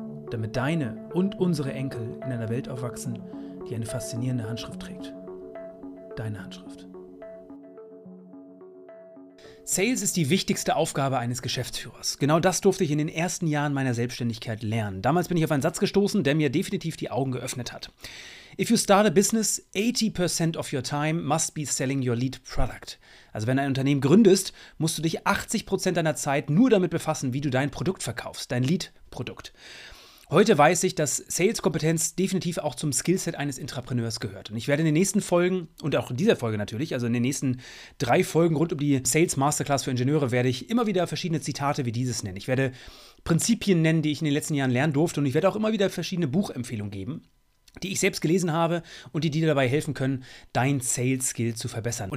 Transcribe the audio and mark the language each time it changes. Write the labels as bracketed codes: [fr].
[de] Damit deine und unsere Enkel in einer Welt aufwachsen, die eine faszinierende Handschrift trägt. Deine Handschrift. Sales ist die wichtigste Aufgabe eines Geschäftsführers. Genau das durfte ich in den ersten Jahren meiner Selbstständigkeit lernen. Damals bin ich auf einen Satz gestoßen, der mir definitiv die Augen geöffnet hat. [en] If you start a business, 80% of your time must be selling your lead product. [de] Also wenn ein Unternehmen gründest, musst du dich 80% deiner Zeit nur damit befassen, wie du dein Produkt verkaufst, dein Lead-Produkt. Heute weiß ich, dass Sales-Kompetenz definitiv auch zum Skillset eines Intrapreneurs gehört. Und ich werde in den nächsten Folgen und auch in dieser Folge natürlich, also in den nächsten drei Folgen rund um die Sales-Masterclass für Ingenieure, werde ich immer wieder verschiedene Zitate wie dieses nennen. Ich werde Prinzipien nennen, die ich in den letzten Jahren lernen durfte, und ich werde auch immer wieder verschiedene Buchempfehlungen geben, die ich selbst gelesen habe und die dir dabei helfen können, dein Sales-Skill zu verbessern.